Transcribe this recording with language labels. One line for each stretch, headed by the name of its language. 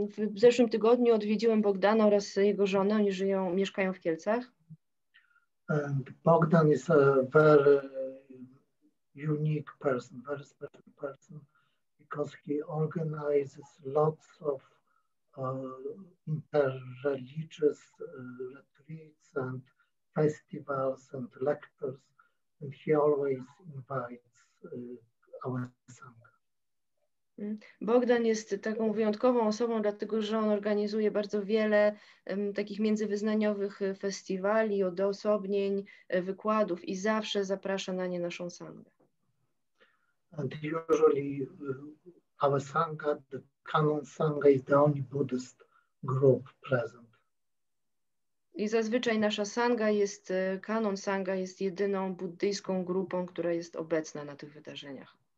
Polish: W zeszłym tygodniu odwiedziłem Bogdana oraz jego żonę. Oni żyją, mieszkają w Kielcach.
English: And Bogdan is a very unique person, very special person, because he organizes lots of inter-religious retreats and festivals and lectures, and he always invites our sangha.
Polish: Bogdan jest taką wyjątkową osobą, dlatego że on organizuje bardzo wiele takich międzywyznaniowych festiwali, odosobnień, wykładów i zawsze zaprasza na nie naszą sangę.
English: And usually our sangha, the Kannon Sangha, is the only Buddhist group present.
Polish: I zazwyczaj nasza sangha jest, Kannon Sangha jest jedyną buddyjską grupą, która jest obecna na tych wydarzeniach.